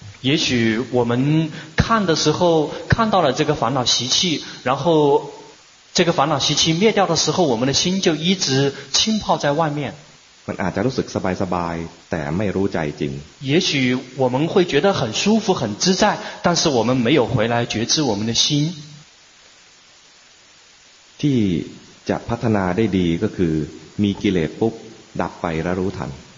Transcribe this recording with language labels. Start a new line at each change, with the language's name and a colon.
Chinese: 也许我们看的时候看到了这个烦恼习气然后这个烦恼习气灭掉的时候我们的心就一直浸泡在外面
Thai: มันอาจจะรู้สึกสบายสบายแต่ไม่รู้ใจจริง
Chinese: 也许我们会觉得很舒服很自在但是我们没有回来觉知我们的心
Thai: ที่จะพัฒนาได้ดีก็คือมีกิเลสปุ๊บดับไปแล้วรู้ทัน